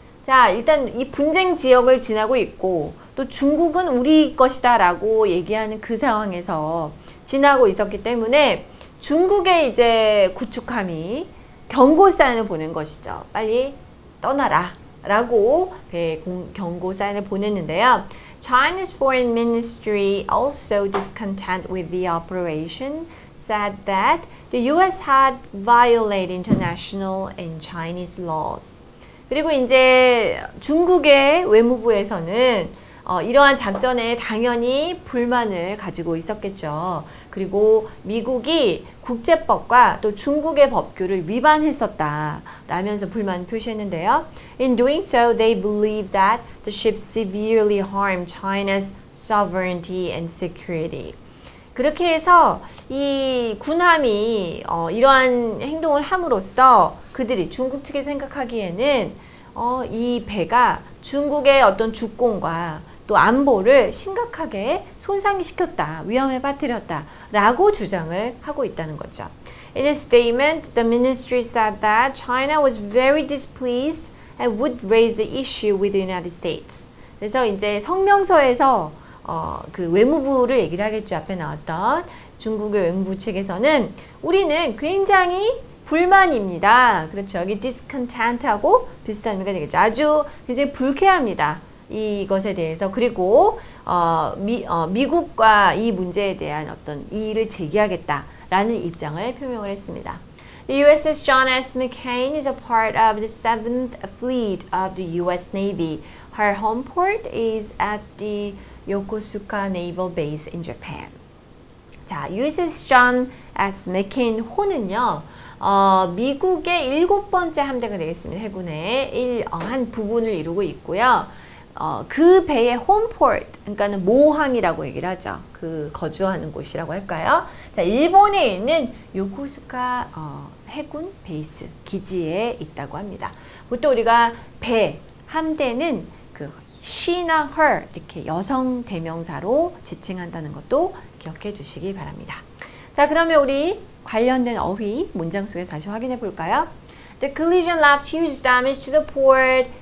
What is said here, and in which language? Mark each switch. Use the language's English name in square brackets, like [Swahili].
[Korean] 자, 일단 이 분쟁 지역을 지나고 있고 또 중국은 우리 것이다라고 얘기하는 그 상황에서 지나고 있었기 때문에 중국의 이제 구축함이 경고 사인을 보낸 것이죠. 빨리 떠나라. 라고 경고 사인을 보냈는데요. [English] China's foreign ministry, also discontent with the operation, said that The US had violated international and Chinese laws. [Korean] 그리고 이제 중국의 외무부에서는 이러한 작전에 당연히 불만을 가지고 있었겠죠. 그리고 미국이 국제법과 또 중국의 법규를 위반했었다 라면서 불만 표시했는데요. [English] In doing so, they believe that the ship severely harmed China's sovereignty and security. [Korean] 그렇게 해서 이 군함이 이러한 행동을 함으로써 그들이 중국 측이 생각하기에는 이 배가 중국의 어떤 주권과 또 안보를 심각하게 손상시켰다, 위험에 빠뜨렸다 라고 주장을 하고 있다는 거죠. [English] In a statement, the ministry said that China was very displeased and would raise the issue with the United States. [Korean] 그래서 이제 성명서에서 그 외무부를 얘기를 하겠죠. 앞에 나왔던 중국의 외무부 측에서는 우리는 굉장히 불만입니다. 그렇죠. 여기 discontent하고 비슷한 의미가 되겠죠. 아주 굉장히 불쾌합니다. 이것에 대해서. 그리고 미국과 이 문제에 대한 어떤 이의를 제기하겠다라는 입장을 표명을 했습니다. [English] The USS John S. McCain is a part of the 7th Fleet of the US Navy. Her home port is at the Yokosuka Naval Base in Japan. [Korean] 자, USS John S. McCain 호는요, 미국의 일곱 번째 함대가 되겠습니다. 해군의 한 부분을 이루고 있고요. 그 배의 홈포트, 그러니까는 모항이라고 얘기를 하죠. 그 거주하는 곳이라고 할까요? 자, 일본에 있는 요코스카 해군 베이스 기지에 있다고 합니다. 보통 우리가 배, 함대는 그 she나 her 이렇게 여성 대명사로 지칭한다는 것도 기억해 주시기 바랍니다. 자, 그러면 우리 관련된 어휘 문장 속에 다시 확인해 볼까요? [English] The collision left huge damage to the port.